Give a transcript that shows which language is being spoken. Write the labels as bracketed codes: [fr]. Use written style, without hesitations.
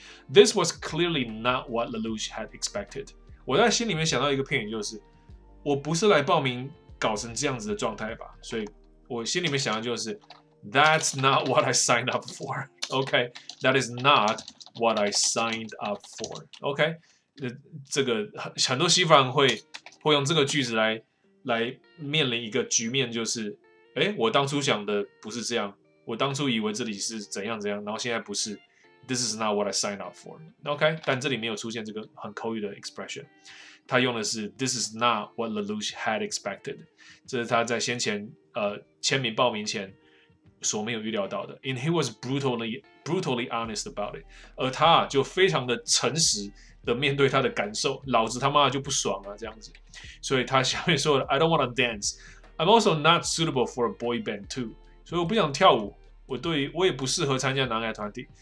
[en] This was clearly not what Lelouch had expected。 [zh] 我在心里面想到一个片语，就是我不是来报名搞成这样子的状态吧，所以我心里面想的就是 [en] That's not what I signed up for. Okay, that is not what I signed up for. [zh] Okay, 这个很多西方人会用这个句子来面临一个局面，就是，哎，我当初想的不是这样，我当初以为这里是怎样怎样，然后现在不是。 [en] This is not what I signed up for. [zh] Okay, 但这里没有出现这个很口语的 expression， 他用的是 [en] This is not what Lelouch had expected. [zh] 这是他在先前签名报名前。所没有预料到的 [en] ，and he was brutally honest about it。 [zh] 而他就非常的诚实的面对他的感受，老子他妈就不爽啊，这样子。所以他下面说的 [en] ，I don't want to dance. I'm also not suitable for a boy band too. [zh] 所以我不想跳舞，我也不适合参加男孩团体。